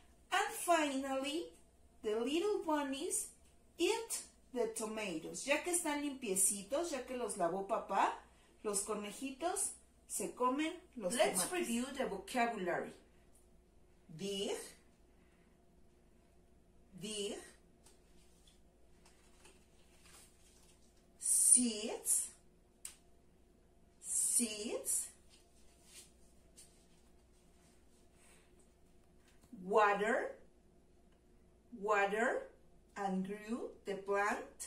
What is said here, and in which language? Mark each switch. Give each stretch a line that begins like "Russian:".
English: And finally, the little bunnies eat the tomatoes.
Spanish: Ya que están limpiecitos, ya que los lavó papá, los conejitos se comen los
English: Let's
Spanish: tomates.
English: Let's review the vocabulary. Dig, dig, seeds, seeds, water, water, and grew the plant.